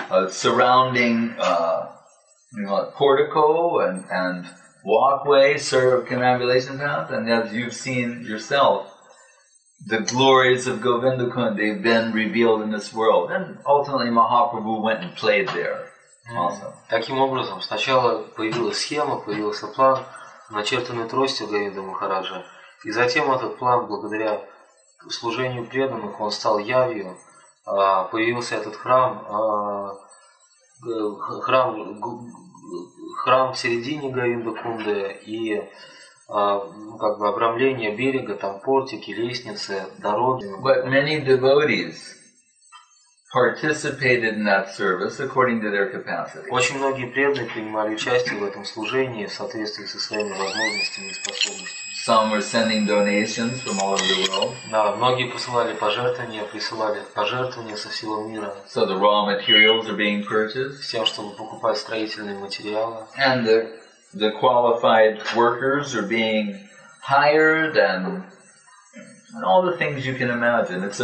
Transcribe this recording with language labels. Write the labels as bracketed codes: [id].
[en] surrounding portico and walkway serve canambulation path, and as you've seen yourself, the glories of Govindakund, they've been revealed in this world. And ultimately Mahaprabhu went and played there also. [ru] Таким образом, сначала появилась схема, появился план, начертанный тростью Говинда Махараджа, и затем этот план, благодаря служению преданных, он стал явью, появился этот храм, храм в середине Говиндакунды и как бы обрамление берега, там портики, лестницы, дороги. [en] But many devotees participated in that service according to their capacity. [ru] Очень многие преданные принимали участие в этом служении в соответствии со своими возможностями и способностями. [en] Some were sending donations from all over the world. [ru] Да, многие присылали пожертвования со всего мира. [en] So the raw materials are being purchased. [ru] С тем, чтобы покупать строительные материалы. [en] And the qualified workers are being hired and all the things you can imagine.